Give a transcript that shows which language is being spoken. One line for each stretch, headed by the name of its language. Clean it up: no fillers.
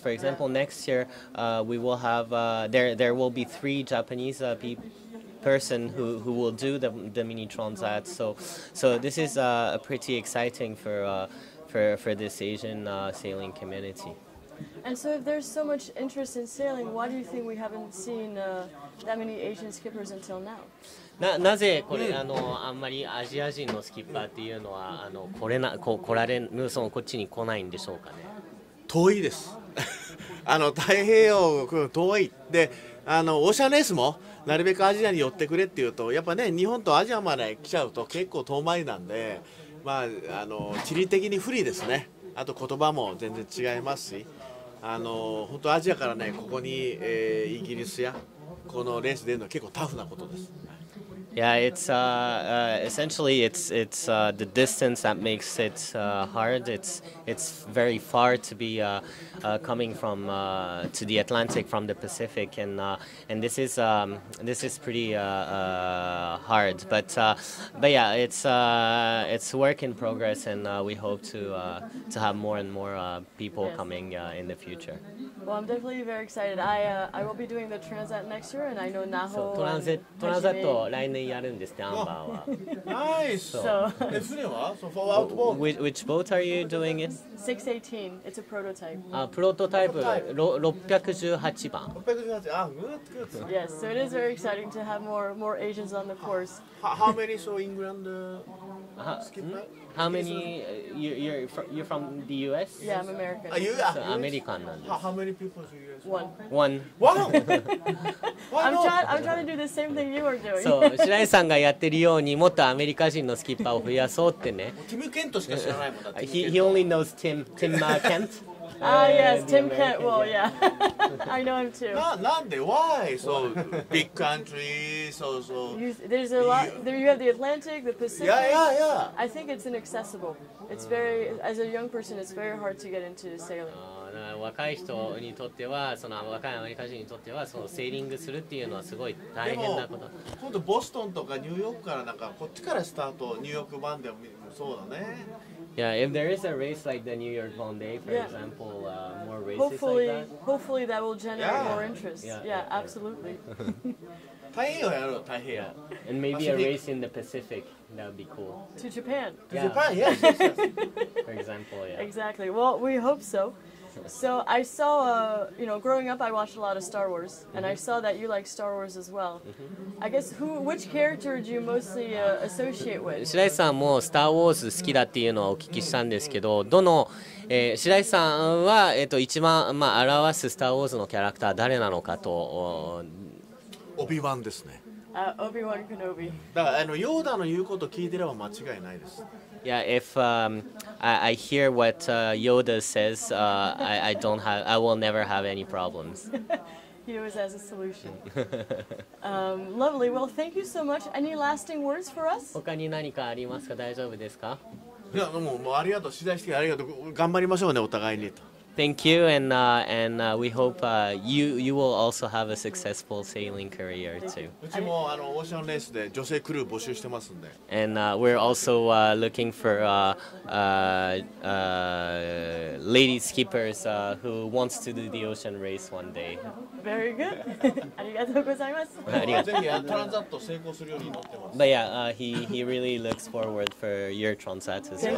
English: For example, next year we will have there will be three Japanese person who will do the mini transat. So this is pretty exciting for this Asian sailing community. And so if there's so much interest in sailing, why do you think we haven't seen that many Asian skippers until now?
Japanese: なぜこれあんまりアジア人のスキッパーっていうのは来られぬ、そのこっちに来ないんでしょうかね。遠いです。太平洋遠いで、オーシャンレースもなるべくアジアに寄ってくれっていうと、やっぱね、日本とアジアまで来ちゃうと結構遠回りなんで、まあ地理的に不利ですね。あと言葉も全然違いますし、本当アジアからね、ここに、イギリスやこのレース出るのは結構タフなことです。
English: Yeah, it's essentially it's the distance that makes it hard. It's very far to be coming from to the Atlantic from the Pacific, and this is pretty hard. But yeah, it's work in progress, and we hope to have more and more people coming in the future. Well, I'm definitely very excited. I will be doing the transat next year, and I know Naho.
Japanese: トランジット来年やるんですね、アンバーは。
English: Nice. So,
Japanese: 船は、
English: so for what boat? Which boat are you doing it? 618. It's a prototype.
Japanese: プロトタイプ。
English: 618
Japanese: 番。
English: good. Yes. So it is very exciting to have more Asians on the course. How many so England skipper? How many you're from the U.S.? Yeah, I'm American. Are you so American? How many people are you? One. Wow. I'm trying to do the same thing you are doing.
Japanese: So, Shirai さんがやってるようにもっとアメリカ人のスキッパーを増やそうってね。 Tim Kent しか知らないもんだ。
English: He only knows Tim Kent. yes, Tim Kent. Well, yeah. I know him too.
Japanese: なんで?
English: Why? So, big country, so. There's a lot. There you have the Atlantic, the Pacific. Yeah. I think it's inaccessible. It's very, as a young person, it's very hard to get into sailing.
Japanese: 若い人にとっては、その若いアメリカ人にとっては、そのセーリングするっていうのはすごい大変なこと。でも今度、ボストンとかニューヨークからなんか、こっちからスタート、ニューヨーク版でもそうだね。
English: Yeah, if there is a race like the New York Vendée, for example, more races hopefully, like that. Hopefully that will generate more interest. Yeah, absolutely.
Japanese: 太平洋やろう、太平洋。
English: And maybe a race in the Pacific, that would be cool. To Japan. To Japan, yes. For example, yeah. Exactly. Well, we hope so. So I saw, you know, growing up I watched a lot of Star Wars, and I saw that you like Star Wars as well. I guess, which character do you mostly associate with?
Japanese: 白井さんもスターウォーズ好きだっていうのはお聞きしたんですけど、どの、白井さんは、一番、まあ、表すスターウォーズのキャラクター誰なのかと。オビワンですね。オビワン・ケノビ。だからヨーダの言うこと聞いてれば間違いないです。
English: Yeah, if I hear what Yoda says, I will never have any problems. He always has a solution. lovely. Well, thank you so much. Any lasting words for us?
Japanese: 他に何かありますか？大丈夫ですか？いや、もうありがとう。取材してありがとう。頑張りましょうね、お互いにと。
English: Thank you, and we hope you will also have a successful sailing career too.
Japanese: うちもあのオーシャンレースで女性クルー募集してますんで。
English: And we're also looking for lady skippers who wants to do the ocean race one day. Very good.
Japanese: ありがとうございます。ぜひトランザット成功するように祈ってます。
English: But yeah, he really looks forward for your transat as well.